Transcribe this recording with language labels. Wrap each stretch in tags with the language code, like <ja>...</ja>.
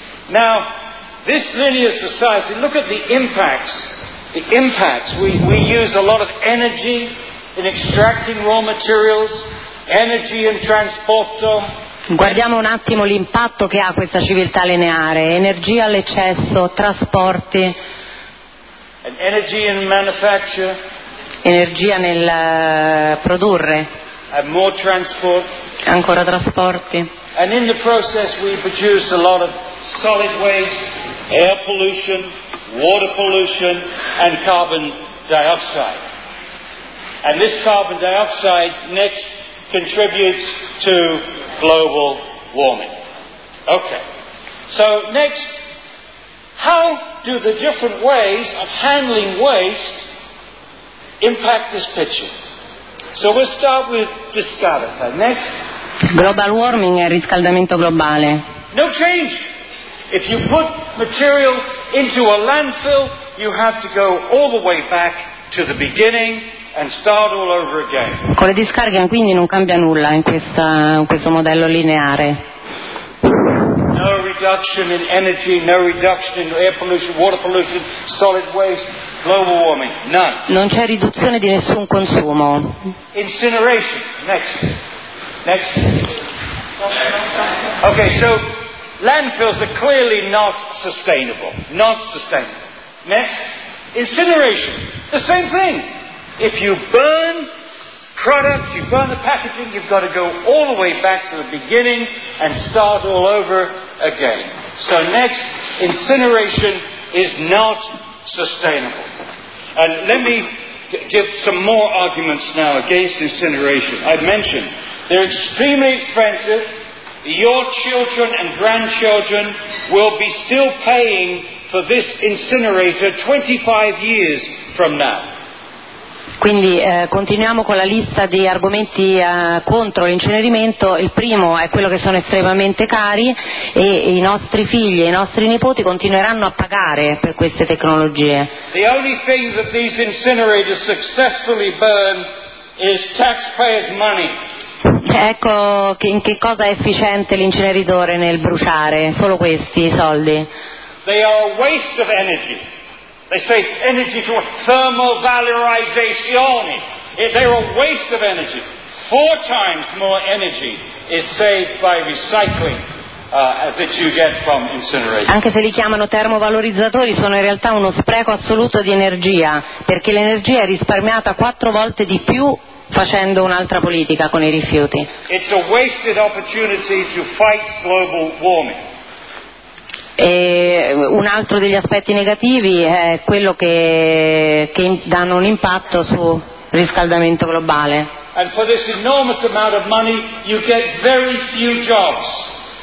<en>Now, this linear society, look at the impacts. The impacts, we use a lot of energy in extracting raw materials, energy in trasporto.</en> <it>Guardiamo un attimo l'impatto che ha questa civiltà lineare, energia all'eccesso, trasporti.</it> <en>And energy in manufacture.</en> <it>energia nel produrre.</it> <en>And more transport.</en> <it>Ancora trasporti.</it> <en>And in the process we produced a lot of solid waste, air pollution, water pollution and carbon dioxide. And this carbon dioxide next contributes to global warming. Okay. So next, how do the different ways of handling waste impact this picture? So we'll start with discarica. Next. Global warming</en> <it>e riscaldamento globale.</it> <en>No change. If you put material into a landfill, you have to go all the way back to the beginning and start all over again.</en> <it>Con le discariche quindi non cambia nulla in questo modello lineare.</it> <en>No reduction in energy, no reduction in air pollution, water pollution, solid waste, global warming, none.</en> <it>Non c'è riduzione di nessun consumo.</it> <en>Incineration, next. Next. Okay, so landfills are clearly not sustainable. Not sustainable. Next. Incineration, the same thing. If you burn products, you burn the packaging, you've got to go all the way back to the beginning and start all over again. So next, incineration is not sustainable. And let me give some more arguments now against incineration. I've mentioned they're extremely expensive. Your children and grandchildren will be still paying for this incinerator 25 years from now.</en> <it>Quindi continuiamo con la lista di argomenti contro l'incenerimento. Il primo è quello che sono estremamente cari e i nostri figli e i nostri nipoti continueranno a pagare per queste tecnologie.</it> <en>The only thing that these incinerators successfully burn is taxpayers' money.</en> <it>Ecco in che cosa è efficiente l'inceneritore nel bruciare, solo questi soldi.</it> <en>They are a waste of energy. They say energy for thermal valorization. They're a waste of energy. Four times more energy is saved by recycling that you get from incineration.</en> <it>Anche se li chiamano termovalorizzatori, sono in realtà uno spreco assoluto di energia, perché l'energia è risparmiata quattro volte di più facendo un'altra politica con i rifiuti.</it> <en>It's a wasted opportunity to fight global warming.</en> <it>E un altro degli aspetti negativi è quello che danno un impatto sul riscaldamento globale.</it> <en>And for this enormous amount of money you get very few jobs.</en>